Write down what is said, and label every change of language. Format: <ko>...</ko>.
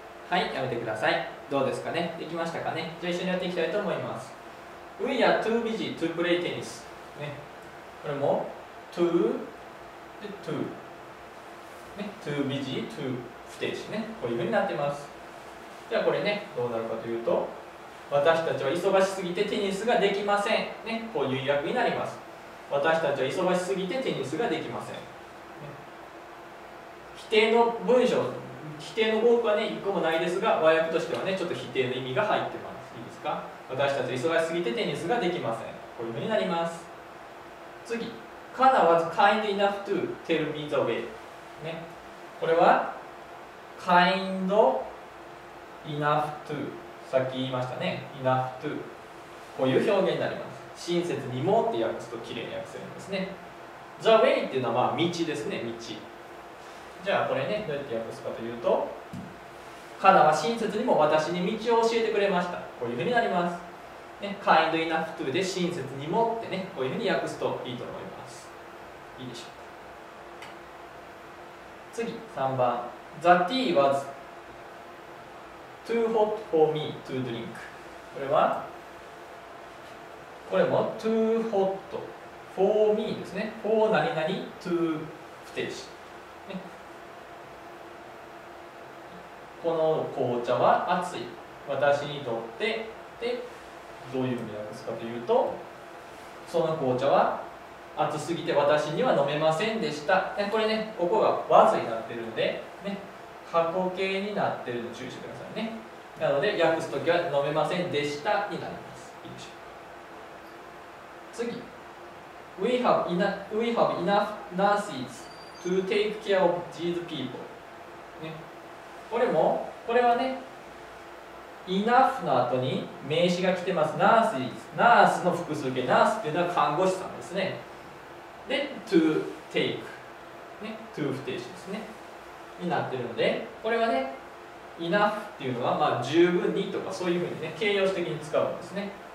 <ja>はい、やめてください。どうですかね、できましたかね。じゃあ一緒にやっていきたいと思います。</ja> <en>We are too busy to play tennis、ね、これも too で too、ね、too busy to、不定詞ね、</en> <ja>こういう風になってます。じゃあこれね、どうなるかというと、私たちは忙しすぎてテニスができませんね、こういう訳になります。私たちは忙しすぎてテニスができません、ね、否定の文章、否定の語句はね、一個もないですが、和訳としてはね、ちょっと否定の意味が入ってます。いいですか。私たちは忙しすぎてテニスができません、こういう風になります。</ja> <en>次、Kana was kind enough to tell me the way、ね、これはKind enough to、</en> <ja>さっき言いましたね、</ja> <en>enough to、</en> <ja>こういう表現になります。親切にもって訳すと綺麗に訳せるんですね。the way っていうのはまあ道ですね、道。じゃあこれね、どうやって訳すかというと、カナは親切にも私に道を教えてくれました、こういうふうになります、ね、</ja> <en>Kind enough to</en> <ja>で親切にもってね、こういうふうに訳すといいと思います。いいでしょうか。</ja> <en>次、3番、The tea was too hot for me to drink。 これはこれも too hot for me ですね。</en> <ja>for 何々 to 不定詞、ね、この紅茶は熱い、私にとって。でどういう意味なんですかというと、その紅茶は熱すぎて私には飲めませんでした。でこれね、ここが was になってるんで、ね、過去形になってるので注意してくださいね。なので訳すときは飲めませんでしたになります。いいでしょう。</ja> <en>次、 We have enough nurses to take care of these people、ね、これはね、 enough</en> <ja>の後に名詞が来てます。 nurses、 ナースの複数形、ナースっていうのは看護師さんですね。で、to take、ね、to 不定詞ですねになってるので、これはね、 enough っていうのは、まあ、十分にとか、そういうふうにね、形容詞的に使うんですね。</ja>